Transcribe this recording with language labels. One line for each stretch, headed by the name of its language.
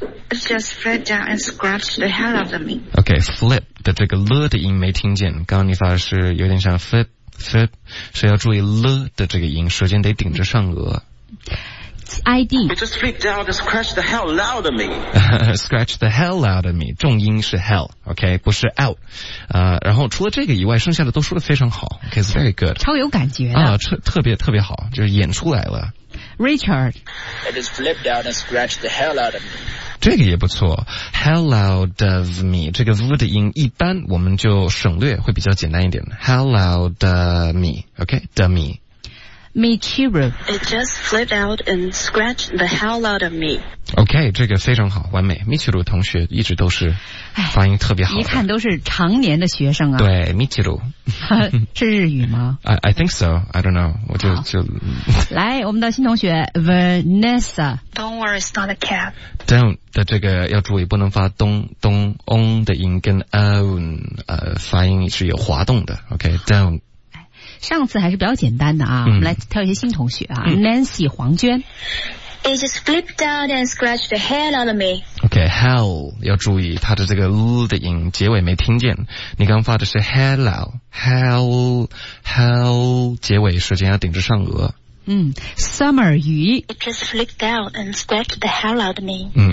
Chinese: Okay, flip 的这个 l 的音没听见刚刚你发的是有点像 flip,Fip, 所以要注意了的这个音舌尖得顶着上额。 ID.
English: I just flipped out and scratched the hell out of me. Scratch the hell out of me.
Chinese: 重音是
English: hell, OK,
Chinese: 不是
English: out.
Chinese: 然后除了这个以外剩下的都说得非常好。
English: OK, it's very good.
Chinese: 超有感觉的。特别特别好，就是演出来了。
English: Richard. I just flipped out and scratched the hell out of me.
Chinese: 这个也不错
English: Hell out of me
Chinese: 这个 V 的音一般我们就省略会比较简单一点 Hell out of me OK The me
English: Michiru It just flipped out and scratched the hell out of me
Chinese: OK 这个非常好完美 Michiru 同学一直都是发音特别好一看都是常年的学生啊对 Michiru 是日语吗
English: I think so I don't know
Chinese: 我就来我们的新同学 Vanessa
English: Don't worry it's not a cat
Chinese: Don't的这个要注意不能发东东 on 的音跟 own 发音是有滑动的 OK don't 上次还是比较简单的啊、我们来挑一些新同学啊、Nancy 黄娟
English: He just flipped out and scratched the hell out of me
Chinese: OK hell 要注意它的这个 l 的音结尾没听见你刚发的是 hell out hell hell 结尾舌尖要顶着上颚 Summer 鱼
English: It just flipped out and scratched the hell out of me